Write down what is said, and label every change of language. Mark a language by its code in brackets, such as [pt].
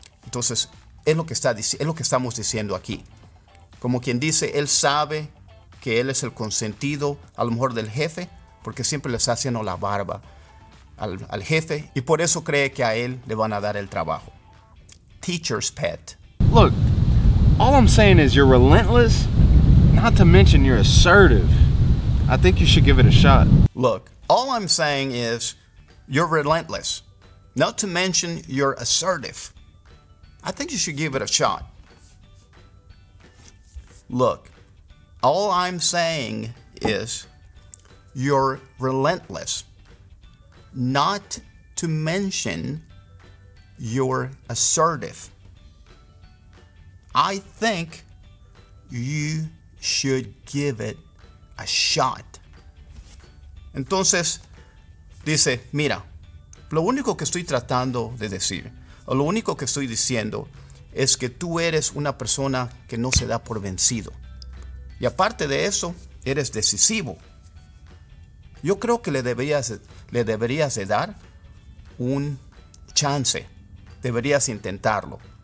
[es] Entonces, es lo que estamos diciendo aquí. Como quien dice, él sabe que él es el consentido, a lo mejor del jefe, porque siempre le está haciendo la barba al jefe, y por eso cree que a él le van a dar el trabajo. [en] Teacher's pet. Look, all I'm saying is you're relentless, not to mention you're assertive. I think you should give it a shot. Look, all I'm saying is you're relentless, not to mention you're assertive. I think you should give it a shot. Look, all I'm saying is you're relentless, not to mention you're assertive. I think you should give it a shot. [es] Entonces, dice, mira, lo único que estoy tratando de decir, o lo único que estoy diciendo, es que tú eres una persona que no se da por vencido. Y aparte de eso, eres decisivo. Yo creo que le deberías de dar un chance. Deberías intentarlo.